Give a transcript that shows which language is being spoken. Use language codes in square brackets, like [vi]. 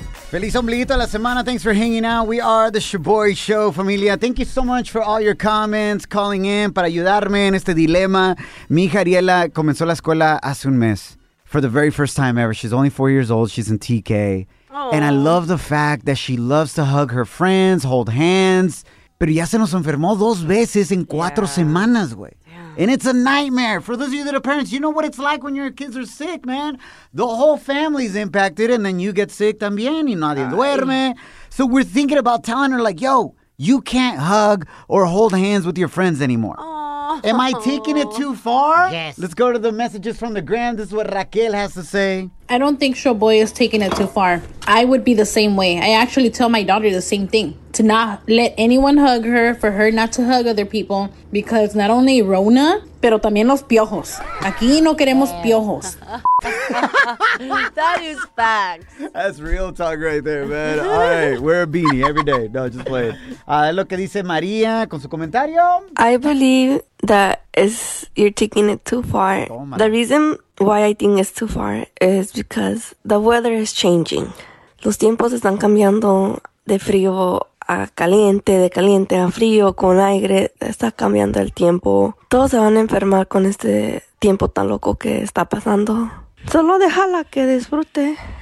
[es] Feliz ombliguito de la semana. [en] Thanks for hanging out. We are the Shaboy Show, familia. Thank you so much for all your comments, calling in [es] para ayudarme en este dilema. Mi hija Ariela comenzó la escuela hace un mes [en] for the very first time ever. She's only 4 years old. She's in TK. Aww. And I love the fact that she loves to hug her friends, hold hands. [es] Pero ya se nos enfermó dos veces en cuatro semanas, güey. [en] And it's a nightmare. For those of you that are parents, you know what it's like when your kids are sick, man. The whole family's impacted, and then you get sick [es] también, y nadie duerme. [en] So we're thinking about telling her, like, yo, you can't hug or hold hands with your friends anymore. Aww. Am I taking it too far? Yes. Let's go to the messages from the gram. This is what Raquel has to say. I don't think Showboy is taking it too far. I would be the same way. I actually tell my daughter the same thing. To not let anyone hug her, for her not to hug other people, because not only Rona, [es] pero también los piojos. Aquí no queremos piojos. [en] That is facts. That's real talk right there, man. All right, wear a beanie every day. No, just play it. [es] Lo que dice María con su comentario. [en] I believe that you're taking it too far. [es] Toma. [en] The reason why I think it's too far is because the weather is changing. [es] Los tiempos están cambiando de frío a caliente, de caliente a frío, con aire, está cambiando el tiempo. Todos se van a enfermar con este tiempo tan loco que está pasando. Solo déjala que disfrute.